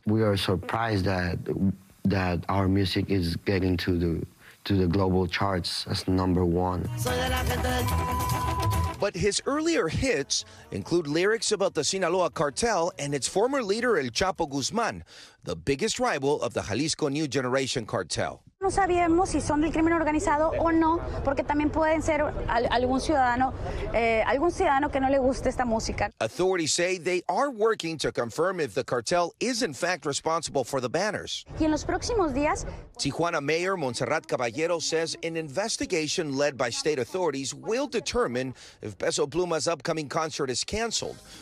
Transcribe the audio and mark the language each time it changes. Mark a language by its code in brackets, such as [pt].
[en] We are surprised that our music is getting to the global charts as number one. But his earlier hits include lyrics about the Sinaloa cartel and its former leader, El Chapo Guzman, the biggest rival of the Jalisco New Generation cartel. [es] No sabemos si son del crimen organizado o no, porque también pueden ser algún ciudadano que no le guste esta música. [en] Authorities say they are working to confirm if the cartel is in fact responsible for the banners. [es] Y en los próximos días, [en] Tijuana Mayor Montserrat Caballero says an investigation led by state authorities will determine if Peso Pluma's upcoming concert is canceled.